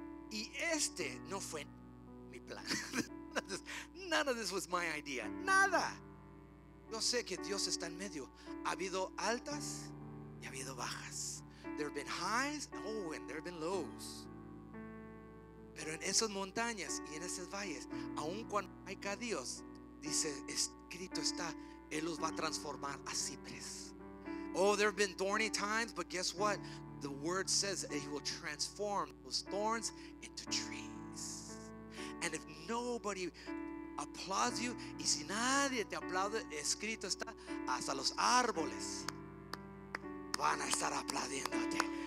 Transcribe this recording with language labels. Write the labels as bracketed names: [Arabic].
[Spanish] Y este no fue mi plan. [English] None of this was my idea. [Spanish] Nada. Yo sé que Dios está en medio. Ha habido altas y ha habido bajas. [English] There have been highs, oh, and there have been lows. [Spanish] Pero en esas montañas y en esos valles, aun cuando hay caídos, dice escrito está, Él los va a transformar a cipres. [English] Oh, there have been thorny times, but guess what? The word says that He will transform those thorns into trees. And if nobody applauds you, [Spanish] y si nadie te aplaude, escrito está, hasta los árboles van a estar aplaudiéndote.